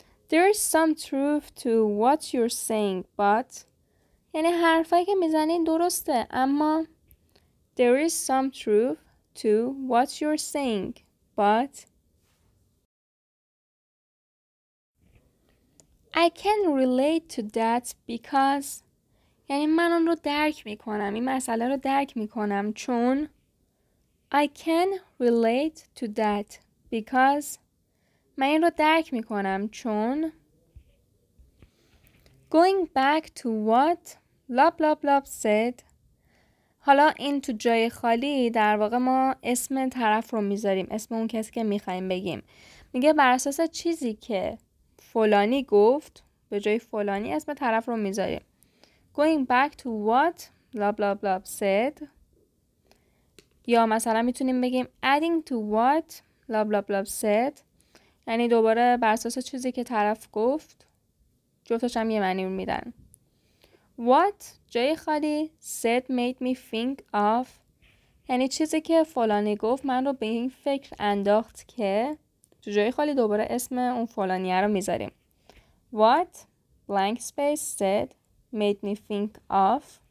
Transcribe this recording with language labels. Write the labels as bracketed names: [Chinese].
[English] There is some truth to what you're saying but [Persian] یعنی حرفایی که میزنین درسته اما [English] There is some truth to what you're saying but I can relate to that because [Persian] یعنی من اون رو درک میکنم. این مسئله رو درک میکنم چون [English] I can relate to that because [Persian] من این رو درک میکنم چون [English] Going back to what blah blah blah said. [Persian] حالا این تو جای خالی در واقع ما اسم طرف رو میذاریم، اسم اون کسی که میخواییم بگیم. میگه بر اساس چیزی که فلانی گفت، به جای فلانی اسم طرف رو میذاریم. [English] Going back to what blah blah blah said. [Persian] یا مثلا میتونیم بگیم [English] adding to what blah blah blah said. [Persian] یعنی دوباره بر اساس چیزی که طرف گفت، جفتش هم یه معنی رو میدن. What جای خالی [English] said made me think of، [Persian] یعنی چیزی که فلانی گفت من رو به این فکر انداخت که، تو جای خالی دوباره اسم اون فلانیه رو میذاریم. [English] What blank space said made me think of.